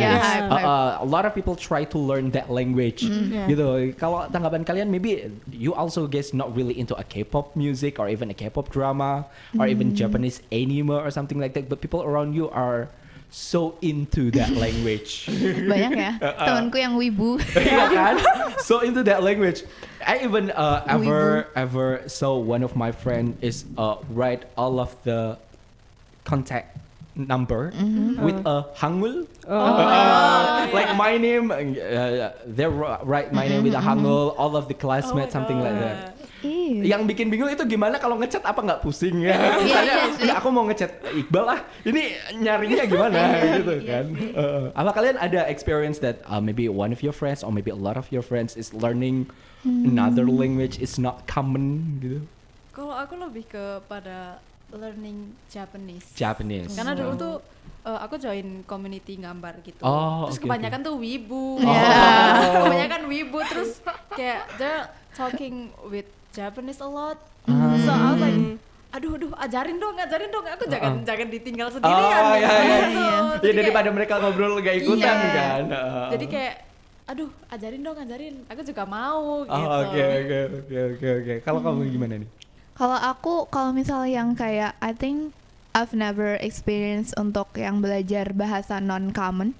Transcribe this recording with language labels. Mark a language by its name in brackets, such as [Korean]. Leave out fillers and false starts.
[English] Yeah, a lot of people try to learn that language. Gitu. [Indonesian] Kalau tanggapan kalian, [English] maybe you also guess not really into a K-pop music or even a K-pop drama or even Japanese anime or something like that, but people around you are so into that language. [Indonesian] Banyak ya, temanku yang wibu. [English] Iya kan? So into that language. I even ever so one of my friend is write all of the contact number with a Hangul. Like my name, they write my name with a Hangul, all of the classmates, something like that. [Indonesian] Yang bikin bingung itu gimana kalau ngechat apa enggak pusing ya? Misalnya aku mau ngechat Iqbal ah, ini nyarinya gimana gitu kan. Apa kalian ada [English] experience that maybe one of your friends or maybe a lot of your friends is learning another language is not common gitu? [Indonesian] Kalau aku lebih kepada [English] learning Japanese. Japanese. [Indonesian] Karena dulu tuh aku join community gambar gitu. Terus kebanyakan tuh wibu. Kebanyakan wibu terus kayak [English] they're talking with Japanese a lot. So I was like, [Indonesian] aduh, ajarin dong. Aku jangan ditinggal sendirian. Ya daripada mereka ngobrol gak ikutan kan. Jadi kayak, aduh, ajarin dong. Aku juga mau gitu. Oke. Kalau kamu gimana nih? Kalau aku, kalau misalnya yang kayak, [English] I think I've never experience [Indonesian] untuk yang belajar bahasa non-common.